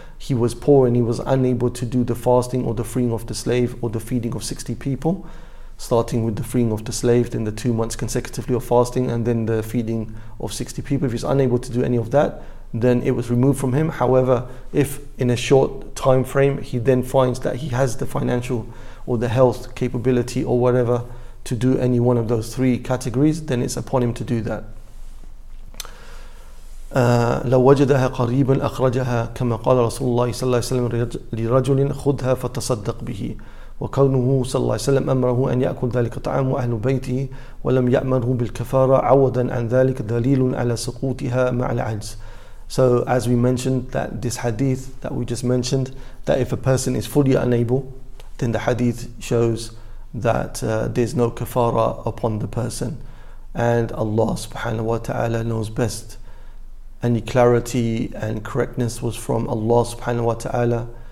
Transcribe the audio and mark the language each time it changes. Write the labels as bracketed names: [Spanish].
[English] He was poor and he was unable to do the fasting or the freeing of the slave or the feeding of 60 people, starting with the freeing of the slave, then the 2 months consecutively of fasting, and then the feeding of 60 people. If he's unable to do any of that, then it was removed from him. However, if in a short time frame he then finds that he has the financial or the health capability or whatever to do any one of those three categories, then it's upon him to do that. [Arabic] لو وجدها قريبا أخرجها كما قال رسول الله صلى الله عليه وسلم لرجل خذها فتصدق به وكونه صلى الله عليه وسلم أمره أن يأكل ذلك طعام أهل بيته ولم يأمره بالكفارة عوضا عن ذلك دليل على سقوطها مع العجز. [English] So as we mentioned, that this hadith that we just mentioned, that if a person is fully unable, then the hadith shows that there's no kafara upon the person, and Allah subhanahu wa ta'ala knows best. Any clarity and correctness was from Allah subhanahu wa ta'ala.